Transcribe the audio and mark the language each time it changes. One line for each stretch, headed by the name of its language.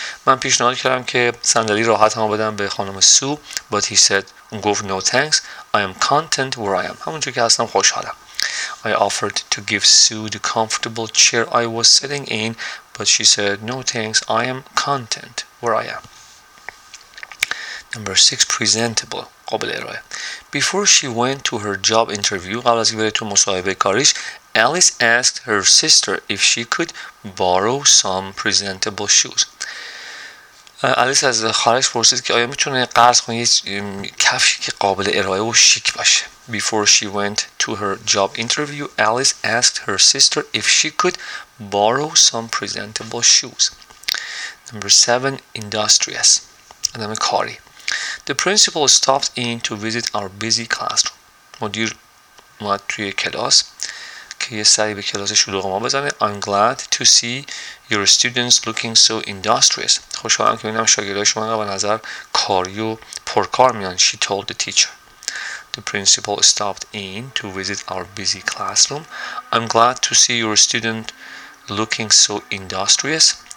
Persian: من پیشنهاد کردم که صندلی راحت هم بدم به خانم سو,
English: but he said,
Persian: گفت
English: no thanks, I am content where I am.
Persian: همونجور که هستم خوشحالم.
English: I offered to give Sue the comfortable chair I was sitting in, but she said, no thanks, I am content where I am. Number six, presentable.
Persian: قابل ارائه.
English: Before she went to her job interview,
Persian: قبل از اینکه بره تو مصاحبه کاریش,
English: Alice asked her sister if she could borrow some presentable shoes.
Persian: Alice از خواهرش پرسید که آیا میتونه قرض کنه یه کفشی که قابل ارائه و شیک باشه.
English: Before she went to her job interview, Alice asked her sister if she could borrow some presentable shoes. Number seven, industrious.
Persian: آدم کاری.
English: The principal stopped in to visit our busy classroom.
Persian: مدیر اومد توی کلاس که یه سری به کلاس شلوغ ما بزنه.
English: I'm glad to see your students looking so industrious.
Persian: خوشحالم که ببینم شاگردای شما به نظر کاری و پرکار میان.
English: She told the teacher. The principal stopped in to visit our busy classroom. I'm glad to see your student looking so industrious.